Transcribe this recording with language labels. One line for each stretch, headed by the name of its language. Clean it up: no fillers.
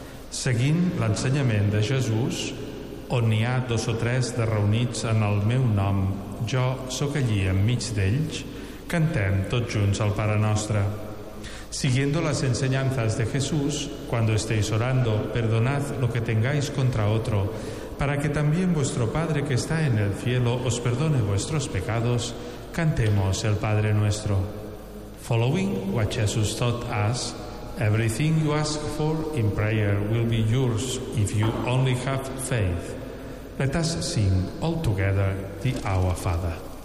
Catalan: Seguint l'ensenyament de Jesús, on n'hi ha dos o tres de reunits en el meu nom, jo sóc allí enmig d'ells, cantem tots junts el Pare Nostre.
Spanish: Siguiendo las enseñanzas de Jesús, cuando estéis orando, perdonad lo que tengáis contra otro, para que también vuestro Padre que está en el cielo os perdone vuestros pecados, cantemos el Padre nuestro.
English: Following what Jesus taught us, everything you ask for in prayer will be yours if you only have faith. Let us sing all together the Our Father.